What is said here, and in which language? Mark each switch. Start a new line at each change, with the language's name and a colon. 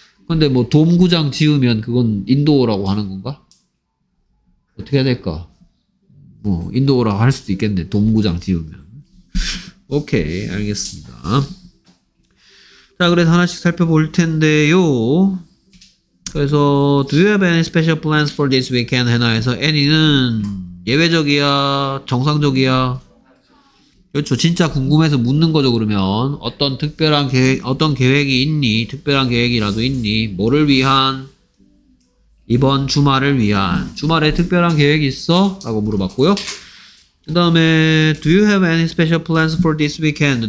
Korean: 근데 뭐 돔구장 지으면 그건 인도어라고 하는 건가? 어떻게 해야 될까? 뭐 인도어라고 할 수도 있겠네. 돔구장 지으면. 오케이, 알겠습니다. 자, 그래서 하나씩 살펴볼 텐데요. 그래서
English: Do you have any special plans for this weekend, Hannah?
Korean: 해서 Annie는 예외적이야? 정상적이야? 그렇죠. 진짜 궁금해서 묻는 거죠, 그러면. 어떤 특별한 계획, 어떤 계획이 있니? 특별한 계획이라도 있니? 뭐를 위한? 이번 주말을 위한. 주말에 특별한 계획이 있어? 라고 물어봤고요. 그 다음에
English: Do you have any special plans for this weekend?